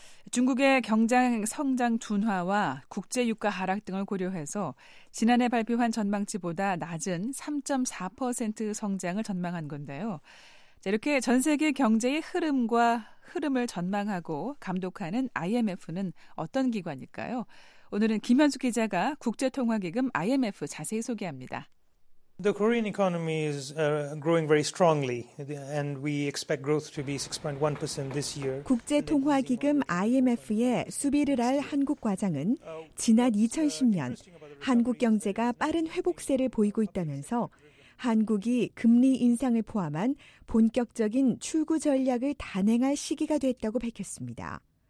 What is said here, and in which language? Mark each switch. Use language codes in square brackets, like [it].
[ko] 중국의 경장 성장 둔화와 국제 유가 하락 등을 고려해서 지난해 발표한 전망치보다 낮은 3.4% 성장을 전망한 건데요. 이렇게 전 세계 경제의 흐름을 전망하고 감독하는 IMF는 어떤 기관일까요? 오늘은 김현수 기자가 국제통화기금 IMF 자세히 소개합니다. [en] The Korean economy is growing very strongly and we expect growth to be 6.1% this year. [ko] 국제통화기금 IMF의 수비르랄 한국 과장은 지난 2010년 한국 경제가 빠른 회복세를 보이고 있다면서 한국이 금리 인상을 포함한 본격적인 출구 전략을 단행할 시기가 됐다고 밝혔습니다.